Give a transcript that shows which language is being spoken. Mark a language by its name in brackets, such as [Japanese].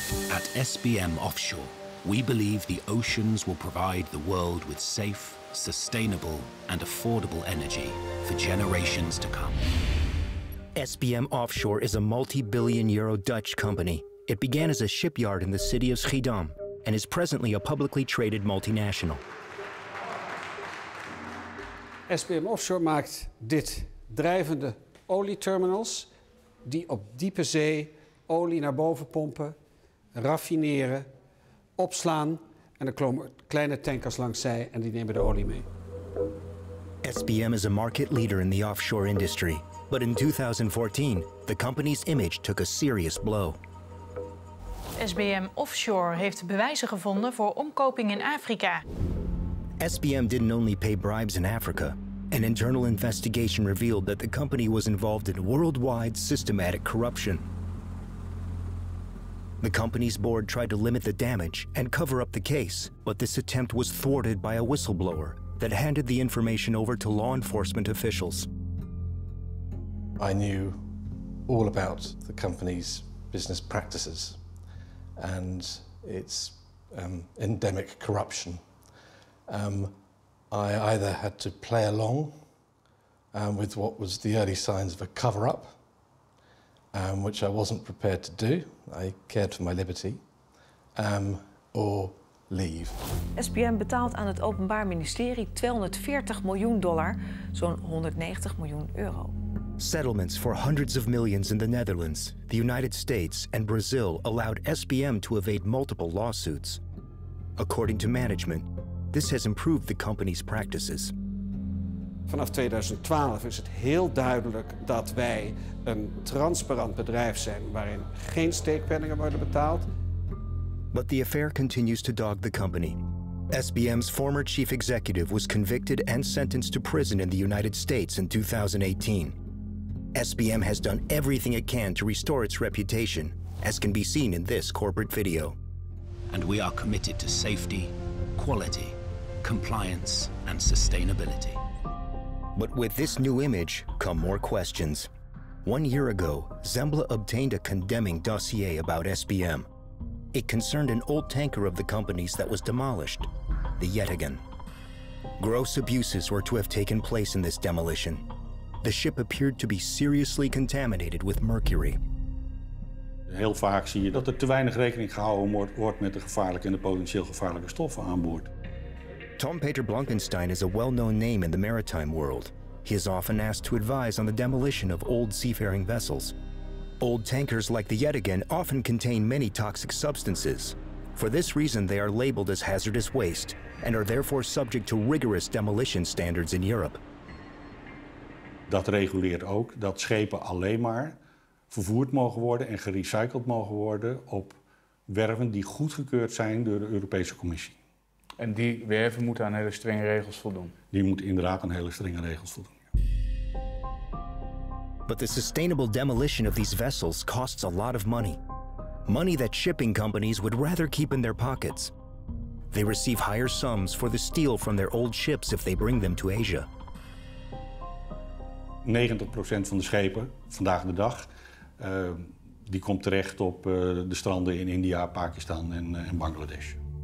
[English] At SBM Offshore, we believe the oceans will provide the world with safe, sustainable, and affordable energy for generations to come. SBM Offshore is a multi-billion euro Dutch company. It began as a shipyard in the city of Schiedam and is presently a publicly traded multinational. [Dutch] SBM Offshore maakt dit drijvende olieterminals die op diepe zee olie naar boven pompen, raffineren, opslaan en dan komen kleine tankers langs zij en die nemen de olie mee. [English] SBM is a market leader in the offshore industry. But in 2014, the company's image took a serious blow. [Dutch] SBM Offshore heeft bewijzen gevonden voor omkoping in Afrika. [English] SBM didn't only pay bribes in Africa. An internal investigation revealed that the company was involved in worldwide systematic corruption. The company's board tried to limit the damage and cover up the case, but this attempt was thwarted by a whistleblower that handed the information over to law enforcement officials. I knew all about the company's business practices and its endemic corruption. I either had to play along with what was the early signs of a cover-up, which I wasn't prepared to do. I cared for my liberty, or leave. [Dutch] SBM betaalt aan het Openbaar Ministerie $240 miljoen, zo'n 190 miljoen euro. [English] Settlements for hundreds of millions in the Netherlands, the United States, and Brazil allowed SBM to evade multiple lawsuits. According to management, this has improved the company's practices. [Dutch] Vanaf 2012 is het heel duidelijk dat wij een transparant bedrijf zijn waarin geen steekpenningen worden betaald. [English] But the affair continues to dog the company. SBM's former chief executive was convicted and sentenced to prison in the United States in 2018. SBM has done everything it can to restore its reputation, as can be seen in this corporate video. And we are committed to safety, quality, compliance, and sustainability. But with this new image come more questions. 1 year ago, Zembla obtained a condemning dossier about SBM. It concerned an old tanker of the company's that was demolished, the Yettingen. Gross abuses were to have taken place in this demolition. The ship appeared to be seriously contaminated with mercury. [Dutch] Heel vaak zie je dat er te weinig rekening gehouden wordt met de gevaarlijke en de potentieel gevaarlijke stoffen aan boord. [English] Tom Peter Blankenstein is a well-known name in the maritime world. He is often asked to advise on the demolition of old seafaring vessels. Old tankers like the Yettingen often contain many toxic substances. For this reason, they are labeled as hazardous waste and are therefore subject to rigorous demolition standards in Europe. [Dutch] Dat reguleert ook dat schepen alleen maar vervoerd mogen worden en gerecycled mogen worden op werven die goedgekeurd zijn door de Europese Commissie. En die werven moeten aan hele strenge regels voldoen. Die moeten inderdaad aan hele strenge regels voldoen. [English] But the sustainable demolition of these vessels costs a lot of money. Money that shipping companies would rather keep in their pockets. They receive higher sums for the steel from their old ships if they bring them to Asia. [Dutch] 90% van de schepen, vandaag de dag, die komt terecht op de stranden in India, Pakistan en Bangladesh.